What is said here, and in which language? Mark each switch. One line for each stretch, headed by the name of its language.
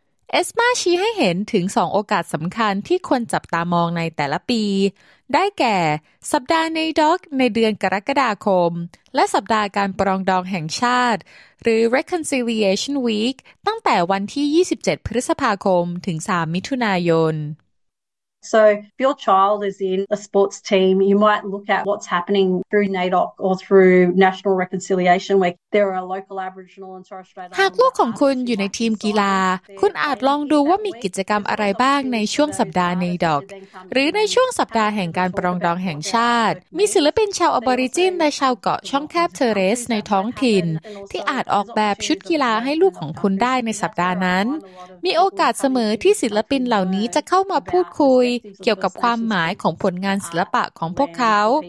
Thai: เอสมาชี้ให้เห็นถึง2โอกาสสำคัญที่ควรจับตามองในแต่ละปีได้แก่สัปดาห์ในด็อกในเดือนกรกฎาคมและสัปดาห์การปรองดองแห่งชาติหรือ Reconciliation Week ตั้งแต่วันที่27พฤษภาคมถึง3มิถุนายน
English: So if your child is in a sports team you might look at what's happening through NAIDOC or through National Reconciliation Week there are local aboriginal and Torres Strait
Thai: หากลูกของคุณอยู่ในทีมกีฬาคุณอาจลองดูว่ามีกิจกรรมอะไรบ้างในช่วงสัปดาห์ NAIDOC หรือในช่วงสัปดาห์แห่งการปรองดองแห่งชาติมีศิลปินชาวอบอริจินและชาวเกาะช่องแคบเทเรสในท้องถิ่นที่อาจออกแบบชุดกีฬาให้ลูกของคุณได้ในสัปดาห์นั้นมีโอกาสเสมอที่ศิลปินเหล่านี้จะเข้ามาพูดคุยเกี่ยวกับความหมายของผลงานศิลปะของพวกเขา